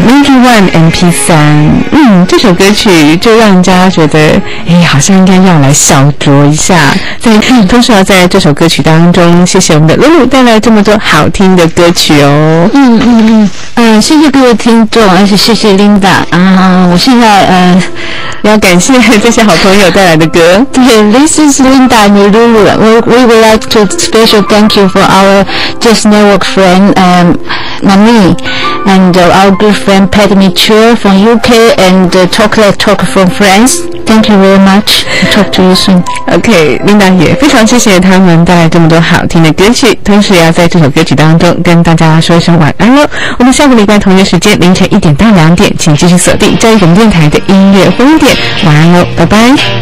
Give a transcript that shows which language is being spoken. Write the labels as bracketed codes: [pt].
[en] One MP3， [zh] 嗯，这首歌曲就让人家觉得，哎，好像应该要来小酌一下。在同时要在这首歌曲当中，谢谢我们的露露带来这么多好听的歌曲哦。谢谢各位听众，而且谢谢 Linda 啊，我现在要感谢这些好朋友带来的歌。 [en] 对 ，This is Linda and Lulu. We would like to special thank you for our just network friend Manee and our good friend Pat Mitchell from UK and Chocolate Talk from France. Thank you very much. Talk to you soon. [zh] Okay, Linda 也非常谢谢他们带来这么多好听的歌曲，同时也要在这首歌曲当中跟大家说一声晚安喽。我们下个礼拜同一时间凌晨1点到2点，请继续锁定教育广播电台的音乐风。晚安喽，拜拜。